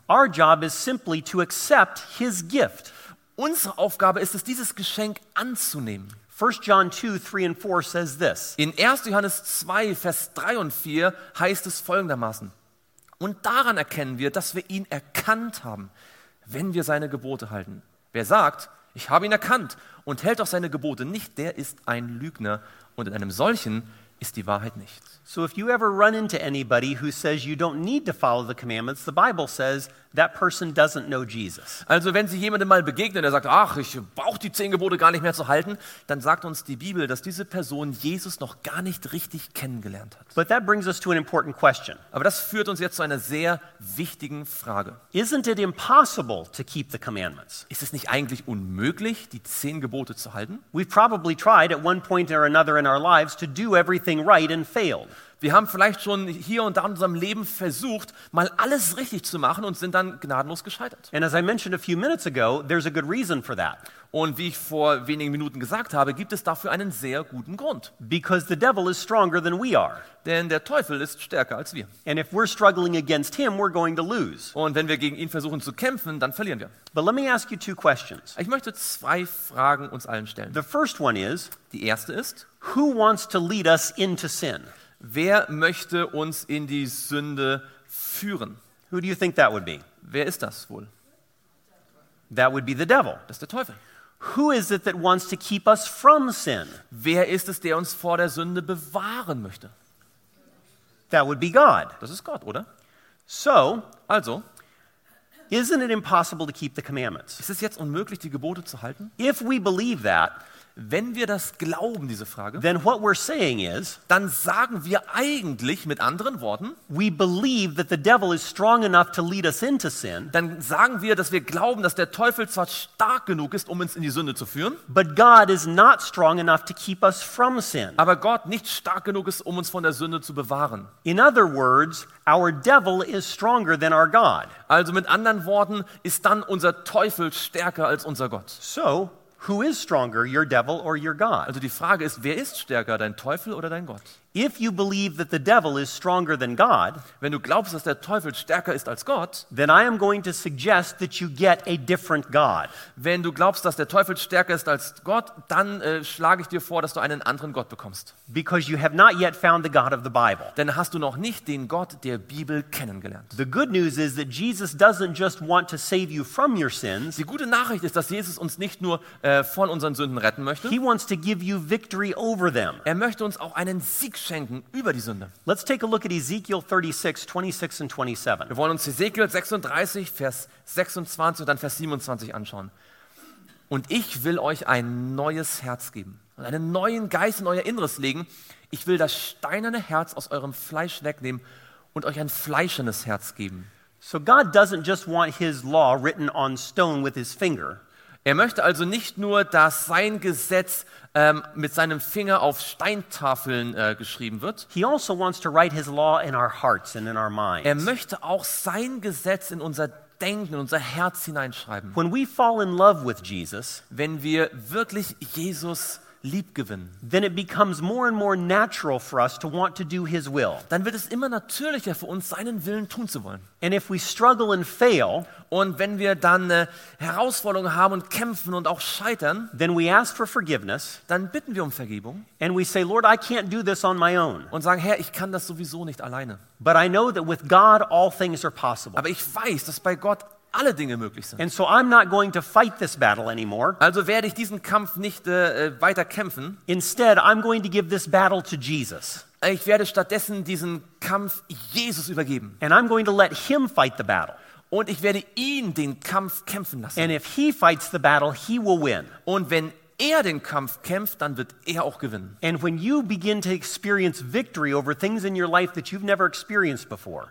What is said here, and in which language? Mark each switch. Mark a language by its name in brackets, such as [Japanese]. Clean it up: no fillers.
[English] Our job is simply to accept his gift. [German] Unsere Aufgabe ist es, dieses Geschenk anzunehmen. [English] 1 John 2, 3 and 4 says this. [German] In 1. Johannes 2, Vers 3 und 4 heißt es folgendermaßen. Und daran erkennen wir, dass wir ihn erkannt haben, wenn wir seine Gebote halten. Wer sagt, ich habe ihn erkannt und hält auch seine Gebote nicht, der ist ein Lügner. Und in einem solchen ist die Wahrheit nicht. [English] So if you ever run into anybody who says you don't need to follow the commandments, the Bible says that person doesn't know Jesus. [German] Also wenn Sie jemandem mal begegnen, der sagt, ach, ich brauche die 10 Gebote gar nicht mehr zu halten, dann sagt uns die Bibel, dass diese Person Jesus noch gar nicht richtig kennengelernt hat. [English] But that brings us to an important question. [German] Aber das führt uns jetzt zu einer sehr wichtigen Frage. [English] Isn't it impossible to keep the commandments? [German] Ist es nicht eigentlich unmöglich, die 10 Gebote zu halten? [English] We've probably tried at one point or another in our lives to do everything right and failed. [German] Wir haben vielleicht schon hier und da in unserem Leben versucht, mal alles richtig zu machen und sind dann gnadenlos gescheitert. [English] And as I mentioned a few minutes ago, there's a good reason for that. [German] Und wie ich vor wenigen Minuten gesagt habe, gibt es dafür einen sehr guten Grund. [English] Because the devil is stronger than we are. [German] Denn der Teufel ist stärker als wir. [English] And if we're struggling against him, we're going to lose. [German] Und wenn wir gegen ihn versuchen zu kämpfen, dann verlieren wir. [English] But let me ask you two questions. [German] Ich möchte zwei Fragen uns allen stellen. [English] The first one is, [German] die erste ist, [English] who wants to lead us into sin? [German] Wer möchte uns in die Sünde führen? [English] Who do you think that would be? [German] Wer ist das wohl? [English] That would be the devil. [German] Das ist der Teufel. [English] Who is it that wants to keep us from sin? [German] Wer ist es, der uns vor der Sünde bewahren möchte? [English] That would be God. [German] Das ist Gott, oder? [English] So, [German] also, [English] isn't it impossible to keep the commandments? [German] Ist es jetzt unmöglich, die Gebote zu halten? [English] If we believe that, [German] wenn wir das glauben, diese Frage, [English] then what we're saying is, [German] dann sagen wir eigentlich mit anderen Worten, [English] we believe that the devil is strong enough to lead us into sin, [German] dann sagen wir, dass wir glauben, dass der Teufel zwar stark genug ist, um uns in die Sünde zu führen, [English] but God is not strong enough to keep us from sin, [German] aber Gott nicht stark genug ist, um uns von der Sünde zu bewahren. [English] In other words, our devil is stronger than our God. [German] Also mit anderen Worten, ist dann unser Teufel stärker als unser Gott. [English] So, who is stronger, your devil or your God? [German] Also die Frage ist, wer ist stärker, dein Teufel oder dein Gott? [English] If you believe that the devil is stronger than God, [German] wenn du glaubst, dass der Teufel stärker ist als Gott, [English] then I am going to suggest that you get a different God. [German] Wenn du glaubst, dass der Teufel stärker ist als Gott, dann schlage ich dir vor, dass du einen anderen Gott bekommst. [English] Because you have not yet found the God of the Bible. [German] Denn hast du noch nicht den Gott der Bibel kennengelernt. [English] The good news is that Jesus doesn't just want to save you from your sins. [German] Die gute Nachricht ist, dass Jesus uns nicht nur von unseren Sünden retten möchte. [English] He wants to give you victory over them. [German] Er möchte uns auch einen Sieg schenken über die Sünde. [English] Let's take a look at Ezekiel 36, 26 and 27. [German] Wir wollen uns Ezekiel 36, Vers 26 und dann Vers 27 anschauen. Und ich will euch ein neues Herz geben und einen neuen Geist in euer Inneres legen. Ich will das steinerne Herz aus eurem Fleisch wegnehmen und euch ein fleischernes Herz geben. [English] So God doesn't just want his law written on stone with his finger. [German] Er möchte also nicht nur, dass sein Gesetz mit seinem Finger auf Steintafeln geschrieben wird. [English] He also wants to write his law in our hearts and in our minds. [German] Er möchte auch sein Gesetz in unser Denken, in unser Herz hineinschreiben. [English] When we fall in love with Jesus, [German] wenn wir wirklich Jesus liebgewinnen, [English] then it becomes more and more natural for us to want to do his will. [German] Dann wird es immer natürlicher für uns, seinen Willen tun zu wollen. [English] And if we struggle and fail, [German] und wenn wir dann Herausforderungen haben und kämpfen und auch scheitern, [English] then we ask for forgiveness, [German] dann bitten wir um Vergebung. [English] And we say, Lord, I can't do this on my own. [German] Und sagen, Herr, ich kann das sowieso nicht alleine. [English] But I know that with God all things are possible. [German] Aber ich weiß, dass bei Gott alle Dinge möglich sind. [English] And so I'm not going to fight this battle anymore. [German] Also werde ich diesen Kampf nicht weiter kämpfen. [English] Instead, I'm going to give this battle to Jesus. [German] Ich werde stattdessen diesen Kampf Jesus übergeben. [English] And I'm going to let him fight the battle. [German] Und ich werde ihn den Kampf kämpfen lassen. [English] And if he fights the battle, he will win. [German] Und wenn er den Kampf kämpft, dann wird er auch gewinnen. [English] And when you begin to experience victory over things in your life that you've never experienced before.